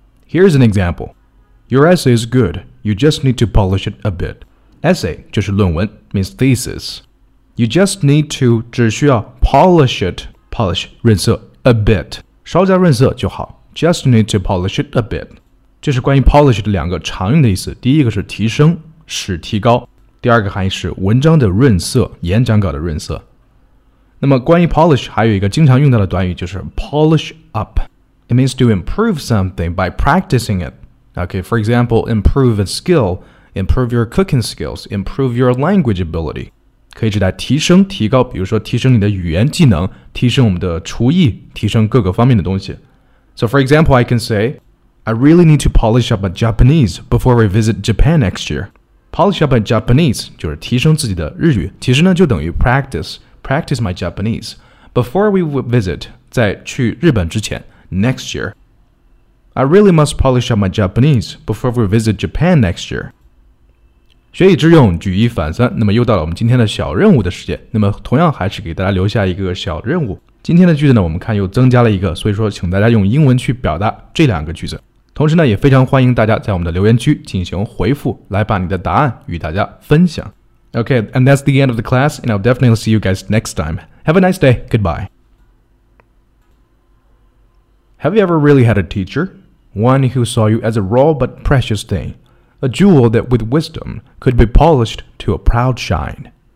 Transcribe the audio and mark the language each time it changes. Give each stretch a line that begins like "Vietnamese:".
English: Here's an example Your essay is good You just need to polish it a bit Essay
Chinese: 就是论文
English: means thesis You just need to
Chinese: 只需要
English: polish it polish 润色 a bit
Chinese: 稍加润色就好
English: Just need to polish it a bit
Chinese: 这是关于
English: polish
Chinese: 的两个常用的意思第一个是提升使提高第二个含义是文章的润色，演讲稿的润色。那么关于 polish 还有一个经常用到的短语就是 polish up。
English: It means to improve something by practicing it. Okay, for example, improve a skill, improve your cooking skills, improve your language ability.
Chinese: 可以指代提升、提高，比如说提升你的语言技能，提升我们的厨艺，提升各个方面的东西。
English: So for example, I can say, I really need to polish up my Japanese before we visit Japan next year. Polish up my Japanese
Chinese: 就是提升自己的日语，其实呢就等于
English: practice my Japanese. Before we visit,
Chinese: 在去日本之前
English: ，next year, I really must polish up my Japanese before we visit Japan next year.
Chinese: 学以致用，举一反三。那么又到了我们今天的小任务的时间。那么同样还是给大家留下一个小任务。今天的句子呢，我们看又增加了一个，所以说请大家用英文去表达这两个句子。同时呢，也非常欢迎大家在我们的留言区进行回复，来把你的答案与大家分享。
English: Okay, and that's the end of the class, and I'll definitely see you guys next time. Have a nice day. Goodbye. Have you ever really had a teacher? One who saw you as a raw but precious thing, a jewel that with wisdom could be polished to a proud shine.